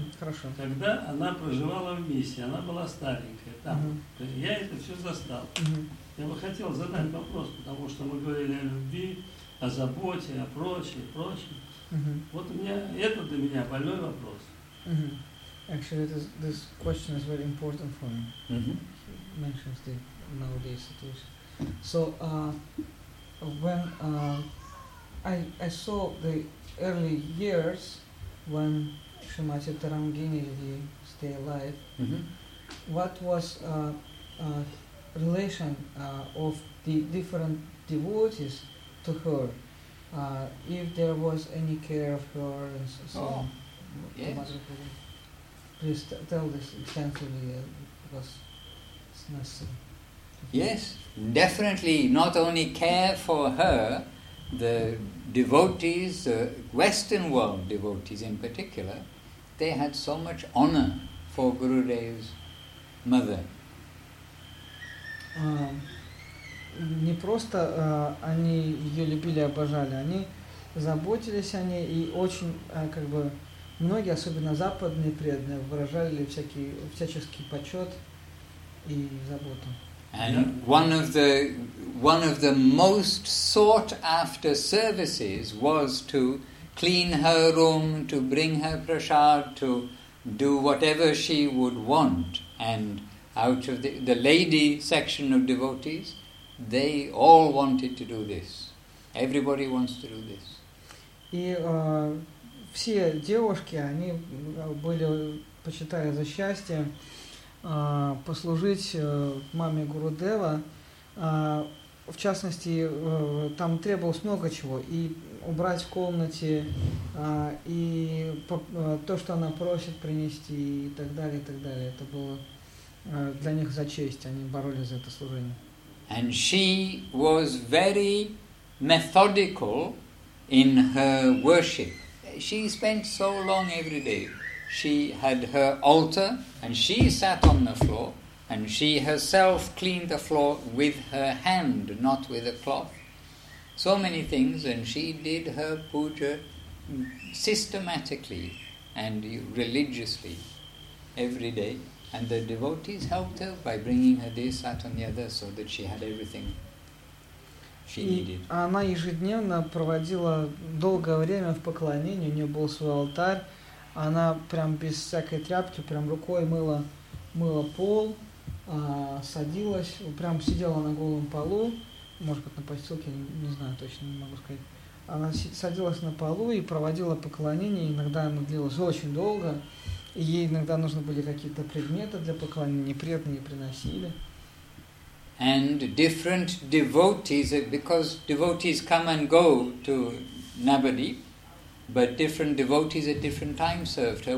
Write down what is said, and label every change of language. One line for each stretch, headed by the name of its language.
Russian: Хорошо. Когда она проживала в миссии, она была старенькая там. Я это все застал. Я бы хотел задать вопрос, потому что мы говорили о любви, о заботе, о прочем, прочем. Вот у меня, это для меня больной вопрос.
English: Actually, this question is very important for me. He mentions the nowadays situation. So, when I saw the early years when Srimati Tarangini stayed alive, what was relation of the different devotees to her? If there was any care of her and so on? Yes. Please tell this extensively, because it's necessary. Yes, definitely. Not only care for her, the devotees, the Western world devotees in particular, they had so much honor for Gurudev's mother.
Russian: Не просто они ее любили, обожали, они заботились о ней и очень многие, особенно западные преданные, выражали всяческий почет и заботу.
English: And one of the most sought after services was to clean her room, to bring her prasad, to do whatever she would want. And out of the lady section of devotees, they all wanted to do this. Everybody wants to do this.
Russian: И все девушки, они были почитали за счастье послужить маме Гурудева. В частности, там требовалось много чего. И убрать в комнате, и то, что она просит принести, и так далее, и так далее. Это было для них за честь. Они боролись за это служение.
English: And she was very methodical in her worship. She spent so long every day. She had her altar, and she sat on the floor, and she herself cleaned the floor with her hand, not with a cloth. So many things, and she did her puja systematically and religiously every day. And the devotees helped her by bringing her this, that, and the other, so that she had everything she needed.
Russian: И она ежедневно проводила долгое время в поклонении. У нее был свой алтарь. Она прям без всякой тряпки, прям рукой мыла пол, садилась, прям сидела на голом полу. Может быть, на постелке, не знаю точно, не могу сказать. Она садилась на полу и проводила поклонение. Иногда оно длилось очень долго. И ей иногда нужны были какие-то предметы для поклонения, преданные приносили.
English: And different devotees, because devotees come and go to Navadvip, but different devotees at different times served her.